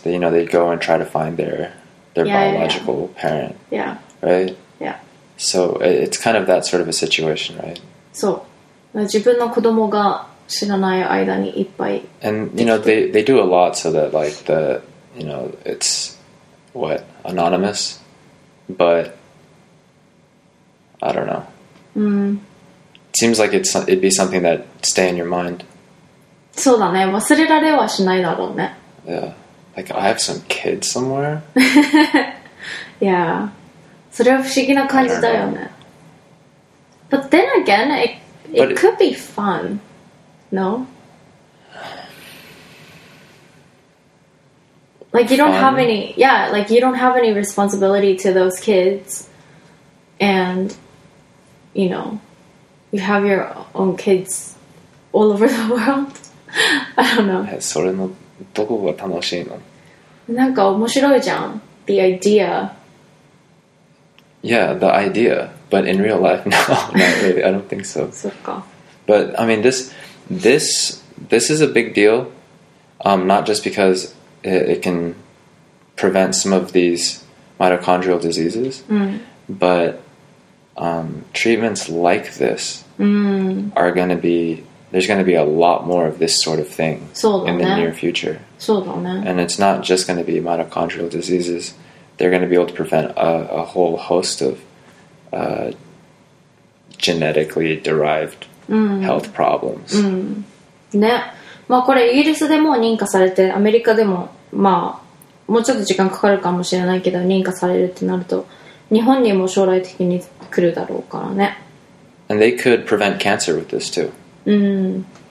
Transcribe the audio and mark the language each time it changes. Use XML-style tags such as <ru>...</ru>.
<en>They, you know, they go and try to find their biological parent. Yeah. Right? Yeah. So it's kind of that sort of a situation, right?</en> <ja>So, 自分の子供が知らない間にいっぱい。</ja> <en>And, you know, they do a lot so that, like, the... You know, it's, what, anonymous? But, I don't know. It seems like it'd be something that stay in your mind.</en> <ja>そうだね、忘れられはしないだろうね。</ja> <en>Yeah. Like, I have some kids somewhere? Yeah.</en> <ja>それは不思議な感じだよね。</ja> <en>But then again, it could be fun. No? Like, you don't have any... Yeah, like, you don't have any responsibility to those kids. And, you know, you have your own kids all over the world. I don't know.</en> <ja>それのどこが楽しいの？なんか面白いじゃん。</ja> <en>The idea. Yeah, the idea. But in real life, no, not really. I don't think so.</en> <ja>そっか。</ja> <en>But, I mean, this is a big deal. Not just because... It can prevent some of these mitochondrial diseases. But treatments like this are going to be... There's going to be a lot more of this sort of thing in the near future.</en> <ja>そうだね。</ja> <en>And it's not just going to be mitochondrial diseases. They're going to be able to prevent a whole host of genetically derived health problems.</en> <ja>ね。まあこれイギリスでも認可されて、アメリカでもまあ、もうちょっと時間かかるかもしれないけど、認可されるってなると日本にも将来的に来るだろうからね。</ja> <en>And they could prevent cancer with this too.</en>